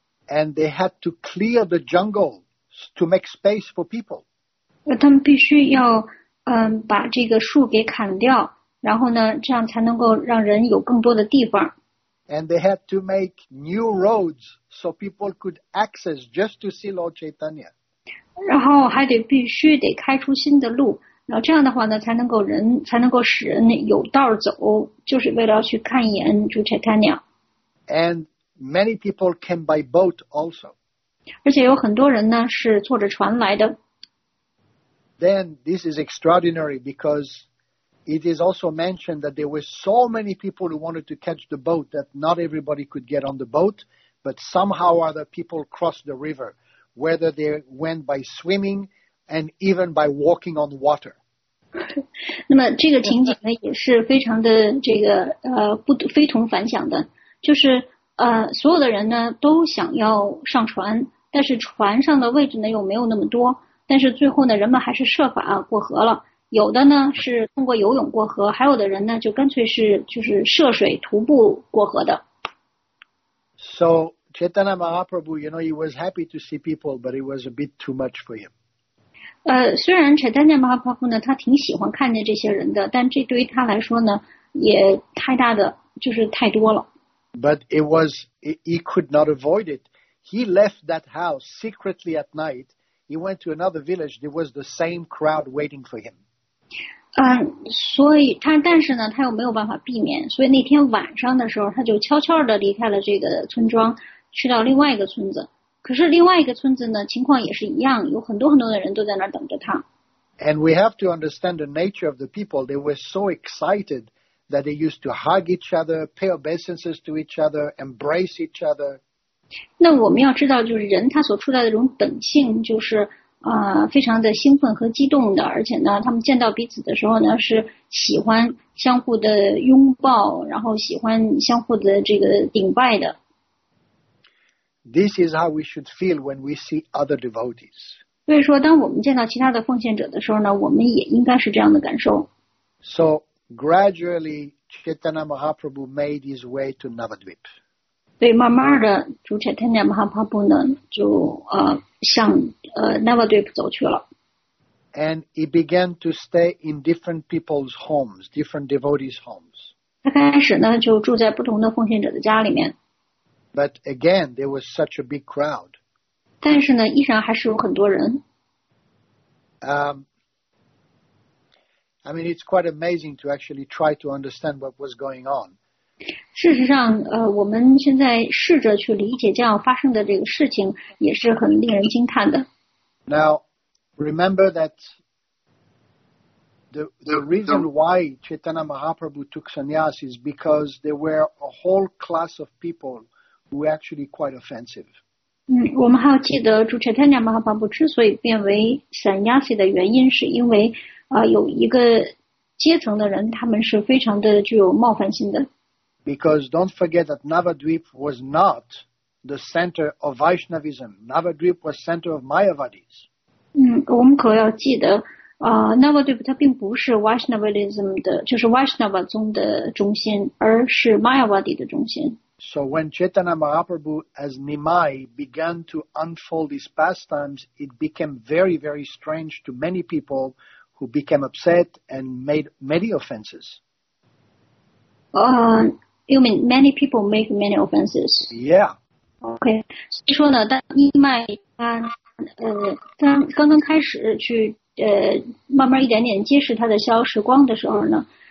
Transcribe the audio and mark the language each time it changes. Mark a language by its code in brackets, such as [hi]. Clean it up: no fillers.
[en] And they had to clear the jungle to make space for people. [zh] 他们必须要把这个树给砍掉，然后呢，这样才能够让人有更多的地方。 [en] And they had to make new roads so people could access just to see Lord Chaitanya. [zh] 然后还得必须得开出新的路，然后这样的话呢，才能够使人有道走，就是为了去看一眼主 Chaitanya。 [en] And many people came by boat also. [zh] 而且有很多人呢是坐着船来的。 [en] Then this is extraordinary because it is also mentioned that there were so many people who wanted to catch the boat that not everybody could get on the boat, but somehow other people crossed the river. Whether they went by swimming and even by walking on water. [zh] 那么这个情景呢也是非常的这个非同凡响的，就是所有的人呢都想要上船，但是船上的位置呢又没有那么多，但是最后呢人们还是设法过河了，有的呢是通过游泳过河，还有的人呢就干脆是就是涉水徒步过河的。 [en] SoChaitanya Mahaprabhu, you know, he was happy to see people, but it was a bit too much for him. [zh] 虽然 Chaitanya Mahaprabhu 呢，他挺喜欢看见这些人的，但这对于他来说呢，也太大的，就是太多了。 [en] But it was, he could not avoid it. He left that house secretly at night. He went to another village. There was the same crowd waiting for him. [zh] 所以他，但是呢，他又没有办法避免，所以那天晚上的时候，他就悄悄地离开了这个村庄。去到另外一个村子，可是另外一个村子呢，情况也是一样，有很多很多的人都在那儿等着他。 [en] And we have to understand the nature of the people. They were so excited that they used to hug each other, pay obeisances to each other, embrace each other. [zh] 那我们要知道，就是人他所处在的这种本性，就是非常的兴奋和激动的，而且呢，他们见到彼此的时候呢，是喜欢相互的拥抱，然后喜欢相互的这个顶拜的。 [en] This is how we should feel when we see other devotees. [zh] 所以说，当我们见到其他的奉献者的时候呢，我们也应该是这样的感受。 [en] So gradually, Chaitanya Mahaprabhu made his way to Navadvip. [zh] 对，慢慢的，主 Chaitanya Mahaprabhu 呢，就向Navadvip 走去了。 [en] And he began to stay in different people's homes, different devotees' homes. [zh] 他开始呢，就住在不同的奉献者的家里面。 [en] But again, there was such a big crowd. [zh] 但是呢，依然还是有很多人。 [en] I mean, it's quite amazing to actually try to understand what was going on. [zh] 事实上，我们现在试着去理解这样发生的这个事情，也是很令人惊叹的。 [en] Now, remember that the reason why Chaitanya Mahaprabhu took sannyas is because there were a whole class of people. Were actually quite offensive. [zh] 我们还要记得，主 Chaitanya Mahaprabhu 之所以变为 sannyasi 的原因，是因为有一个阶层的人，他们是非常的具有冒犯性的。 [en] Because don't forget that Navadvip was not the center of Vaishnavism. Navadvip was center of Mayavadis. [zh] 我们可要记得，Navadvip 它并不是 Vaishnavism 的，就是 Vaishnava 宗的中心，而是 Mayavadi 的中心。 [en] So when Chaitanya Mahaprabhu, as Nimai, began to unfold his pastimes, it became very, very strange to many people who became upset and made many offenses. You mean many people make many offenses? Yeah. Okay. [zh] 所以说呢，当尼麦他刚刚开始去慢慢一点点揭示他的消失光的时候呢。